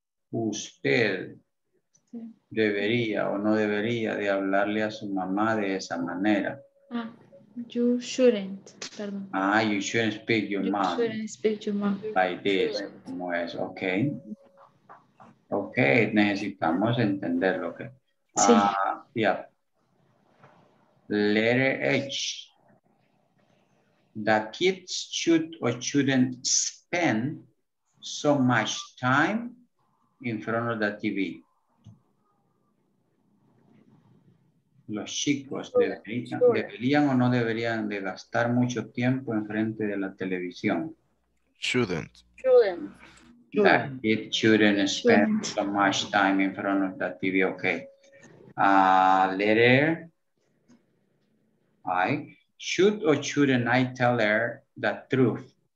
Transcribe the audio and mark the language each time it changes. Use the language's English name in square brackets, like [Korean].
[Spanish] Usted debería o no debería de hablarle a su mamá de esa manera. [English] You shouldn't speak to your mom like this. [Spanish] Okay. Ok, necesitamos entender lo que. Sí. [English] Letter H. The kids should or shouldn't spend so much time in front of the TV. [Spanish] Los chicos deberían o no deberían de gastar mucho tiempo en frente de la televisión. [English] Shouldn't. That it shouldn't spend so much time in front of the TV. Okay. Letter I. Should or shouldn't I tell her the truth?